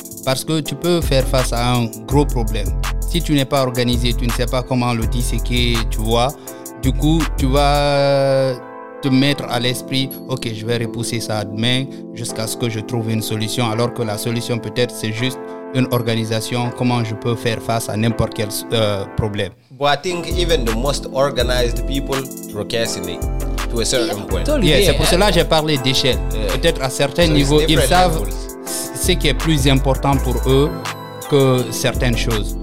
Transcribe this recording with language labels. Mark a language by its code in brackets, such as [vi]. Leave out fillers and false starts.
[fr] parce que tu peux faire face à un gros problème. Si tu n'es pas organisé, tu ne sais pas comment le disséquer, tu vois. Du coup, tu vas te mettre à l'esprit, ok, je vais repousser ça demain jusqu'à ce que je trouve une solution. Alors que la solution, peut-être, c'est juste une organisation, comment je peux faire face à n'importe quel problème. [en] But I think even the most organized people procrastinate to a certain point. Totally. [fr] Yeah, c'est pour cela que j'ai parlé d'échelle. Peut-être à certains niveaux, ils savent ce qui est plus important pour eux que certaines choses.